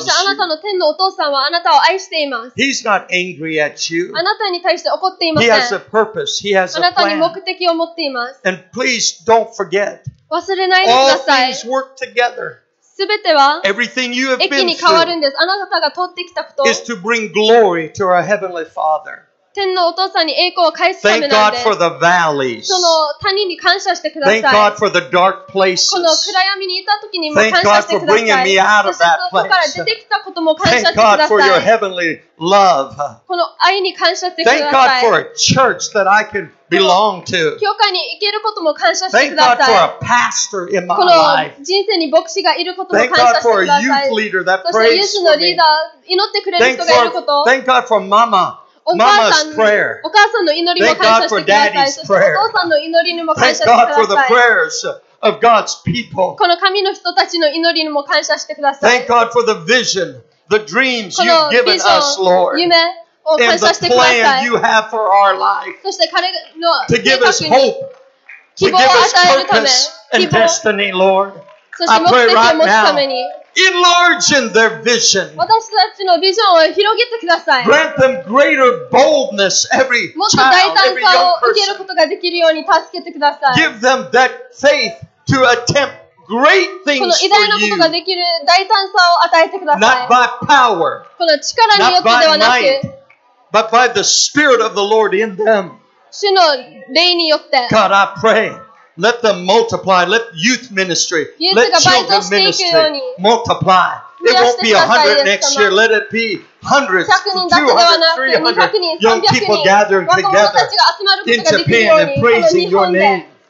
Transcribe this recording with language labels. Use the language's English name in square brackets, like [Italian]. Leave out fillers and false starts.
[Japanese] そしてあなたの天のお父さんはあなたを愛しています。 [English] He's not angry at you. [Japanese] あなたに対して怒っていません。 [English] He has a purpose. He has a plan. [Japanese] あなたに目的を持っています。 [English] And please don't forget. [Japanese] 忘れないでください。 [English] All things work together. [Japanese] すべては益に変わるんです。あなたが通ってきたこと。 [English] Is to bring glory to our heavenly father. [Japanese] 天のお父さんに栄光を返すためなんです。その谷に感謝してください。 [English] Thank God for the dark places. [Japanese] この暗闇にいた時にも感謝してください。 [English] Thank God for bringing me out of that place. [Japanese] そこから出てきたことも感謝してください。 [English] Thank God for your heavenly love. [Japanese] この愛に感謝してください。 [English] Thank God for a church that I can belong to. [Japanese] 教会に行けることも感謝してください。 [English] Thank God for a pastor in my life. [Japanese] この人生に牧師がいることも感謝してください。 [English] Thank God for a youth leader that prays for me. [Japanese] そしてユースのリーダー祈ってくれる人がいること。 [English] Thank God for mama. Mama's prayer. [Japanese] お母さんの祈りも感謝してください。そしてお父さんの祈りにも感謝してください。 [English] Thank God for the prayers of God's people. [Japanese] この神の人たちの祈りにも感謝してください。 [English] Thank God for the vision, the dreams you've given us, Lord. [Japanese] 夢を感謝してください。 [English] And the plan you have for our life. [Japanese] そして彼の計画に希望を与えるため、 [English] to give us hope, to give us purpose and destiny, Lord. I pray right now. Enlarge their vision. [Japanese] 私たちのビジョンを広げてください。 [English] Grant them greater boldness, every child, every young person. [Japanese] もっと大胆さを受けることができるように助けてください。 [English] Give them that faith to attempt great things for you. [Japanese] この偉大なことができる大胆さを与えてください。 [English] Not by power. [Japanese] この力によってではなく、 [English] but by the Spirit of the Lord in them. [Japanese] 主の霊によって。 [English] God, I pray. Let them multiply. Let youth ministry, let children ministry multiply. It won't be 100 next year. Let it be hundreds, 200, 300 young people gathering together in Japan and praising your name.